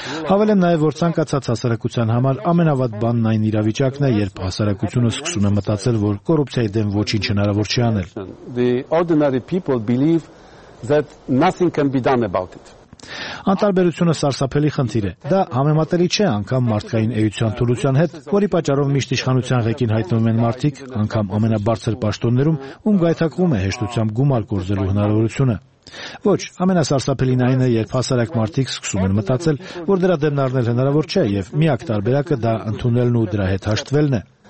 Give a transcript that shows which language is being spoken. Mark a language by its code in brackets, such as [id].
[hy] Հավելեմ նաև, որ ցանկացած հասարակության համար ամենավատ բանն այն իրավիճակն է, երբ հասարակությունը սկսում է մտածել, որ կոռուպցիայի դեմ ոչինչ հնարավոր չի անել։ [en] The ordinary people believe that nothing can be done about it. [hy] Անտարբերությունը սարսափելի խնդիր է։ Դա համեմատելի չէ անգամ մարդկային էության թուլության հետ, որի պատճառով միշտ իշխանության ղեկին հայտնվում են մարդիկ, անգամ ամենաբարձր պաշտոններում, ում գայթակղում է հեշտությամբ գումար կորզելու հնարավորությունը։ Ոչ, ամենասարսափելին այն է, երբ հասարակ մարդիկ սկսում են մտածել, որ դրա դեմ նառնել հնարավոր չէ, եւ միակ տարբերակը դա ընդունելն ու դրա հետ հաշտվելն է։